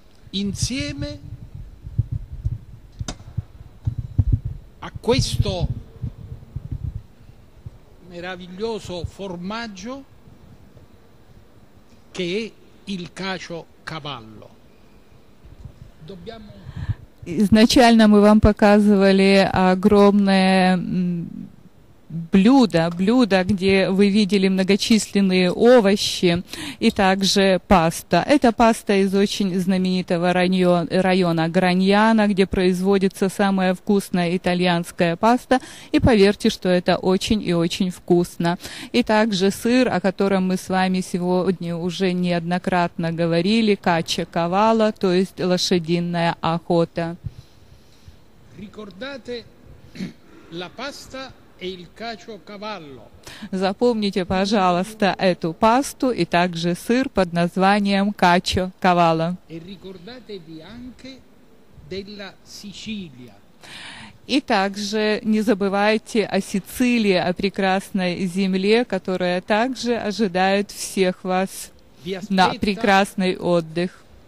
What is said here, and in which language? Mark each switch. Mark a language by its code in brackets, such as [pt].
[it] Insieme a questo meraviglioso formaggio che è il cacio cavallo. [ru] Изначально мы вам показывали огромное блюдо, где вы видели многочисленные овощи и также паста. Это паста из очень знаменитого района Граньяно, где производится самая вкусная итальянская паста. И поверьте, что это очень и очень вкусно. И также сыр, о котором мы с вами сегодня уже неоднократно говорили, кача кавала, то есть лошадиная охота. [it] Ricordate la pasta e il cacio cavallo. [ru] Запомните, пожалуйста, эту пасту и также сыр под названием cacio cavallo. [it] E ricordatevi anche della Sicilia. [ru] И также не забывайте о Сицилии, о прекрасной земле, которая также ожидает всех вас на прекрасный отдых.